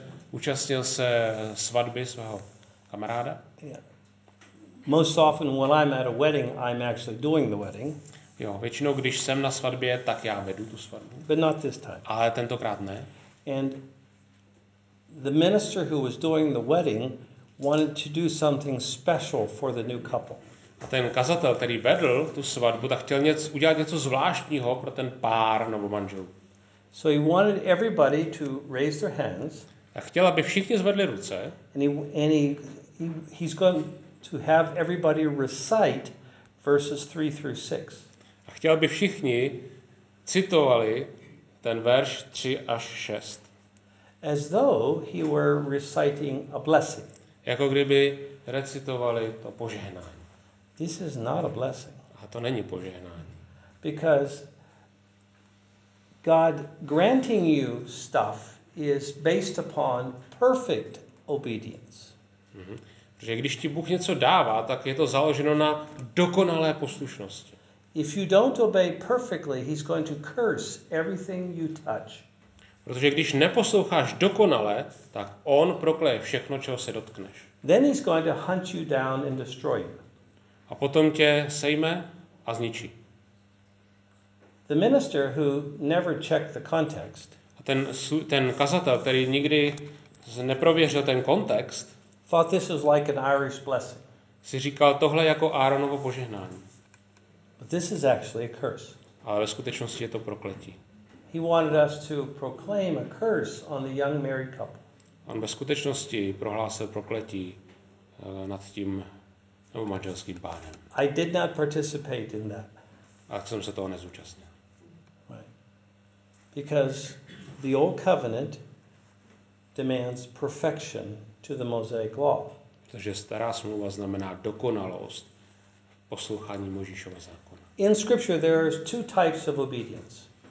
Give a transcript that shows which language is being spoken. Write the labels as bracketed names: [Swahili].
[Czech] Účastnil se svatby svého kamaráda. [English] Yeah. Most often when I'm at a wedding, I'm actually doing the wedding. [Czech] Jo, většinou když jsem na svatbě, tak já vedu tu svatbu. [English] But not this time. [Czech] Ale tentokrát ne. [English] And the minister who was doing the wedding wanted to do something special for the new couple. [Czech] A ten kazatel, který vedl tu svatbu, tak chtěl udělat něco zvláštního pro ten pár novomanželů. [English] So he wanted everybody to raise their hands. [Czech] A chtěl, aby všichni zvedli ruce. [English] And he's going to have everybody recite verses 3 through 6. [Czech] A chtěl, aby všichni citovali ten verš 3 až 6. [English] As though he were reciting a blessing. [Czech] Jako kdyby recitovali to požehnání. [English] This is not a blessing. [Czech] A to není požehnání. [English] Because God granting you stuff is based upon perfect obedience. Mm-hmm. [Czech] Protože když ti Bůh něco dává, tak je to založeno na dokonalé poslušnosti. [English] If you don't obey perfectly, he's going to curse everything you touch. [Czech] Protože když neposloucháš dokonale, tak on prokleje všechno, čeho se dotkneš. [English] Then he's going to hunt you down and destroy you. [Czech] A potom tě sejme a zničí. [English] The minister who never checked the context. [Czech] Ten kazatel, který nikdy neprověřil ten kontext. [English] Thought this was like an Irish blessing. [Czech] Si říkal tohle jako Aaronovo požehnání. [English] But this is actually a curse. [Czech] Ale ve skutečnosti je to prokletí. [English] He wanted us to proclaim a curse on the young married couple. [Czech] On ve skutečnosti prohlásil prokletí nad tím novým manželským párem. [English] I did not participate in that. [Czech] A jsem se toho nezúčastnil. [English] Because the old covenant demands perfection to the Mosaic law. [Czech] Protože stará smlouva znamená dokonalost poslouchání Mojžíšova zákona. [English] In scripture there are two types of obedience.